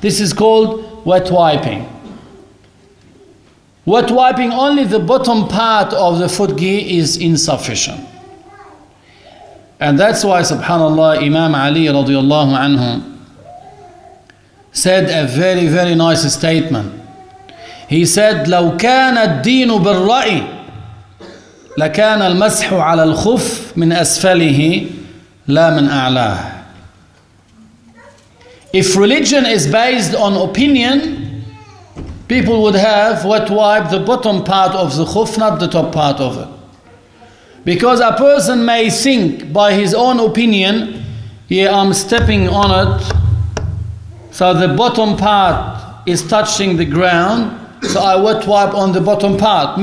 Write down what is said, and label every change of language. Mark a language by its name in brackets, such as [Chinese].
[English] This is called wet wiping. Wet wiping only the bottom part of the foot gear is insufficient. And that's why, subhanAllah, Imam Ali radiallahu anhu said a very, very nice statement. [Arabic] He said, لو كان الدين بالرأي لكان المسح على الخف من أسفله لا من أعلاه. [English] If religion is based on opinion, people would have wet wiped the bottom part of the khuf, not the top part of it. Because a person may think by his own opinion, yeah, I'm stepping on it, so the bottom part is touching the ground, so I wet wipe on the bottom part.